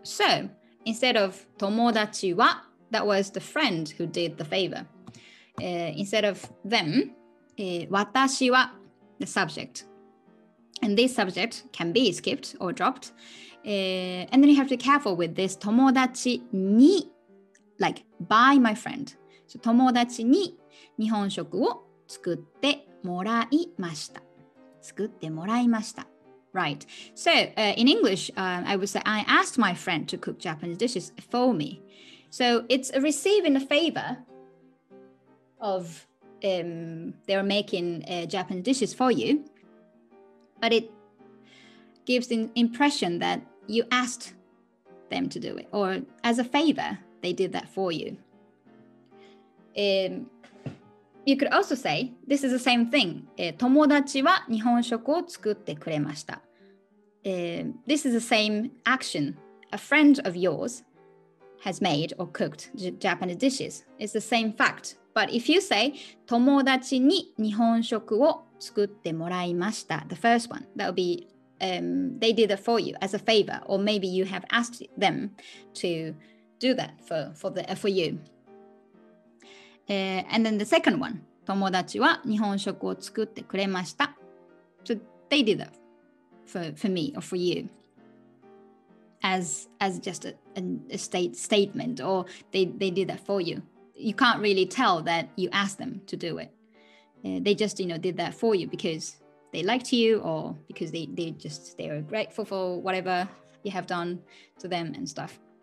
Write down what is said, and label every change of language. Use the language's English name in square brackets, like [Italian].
[English] So,Instead of 友達は, that was the friend who did the favor. Instead of them, [Japanese] 私は, [English] the subject. And this subject can be skipped or dropped. And then you have to be careful with this [Japanese] 友達に, [English] like by my friend. [Japanese] So 友達に日本食を作ってもらいました。作ってもらいました。 [English] Right. So in English, I would say, I asked my friend to cook Japanese dishes for me. So it's a receiving a favor of they're making Japanese dishes for you. But it gives the impression that you asked them to do it. Or as a favor, they did that for you. You could also say, this is the same thing. [Japanese] 友達は日本食を作ってくれました。 [English] This is the same action a friend of yours has made or cooked Japanese dishes. It's the same fact. But if you say, [Japanese] 友達に日本食を作ってもらいました。 [English] The first one. That would be, they did it for you as a favor. Or maybe you have asked them to do that for you.、 and then the second one. [Japanese] 友達は日本食を作ってくれました。 [English] So they did it for me or for you. As just a statement, or they did that for you. You can't really tell that you asked them to do it. They just, you know, did that for you because they liked you or because they are grateful for whatever you have done to them and stuff.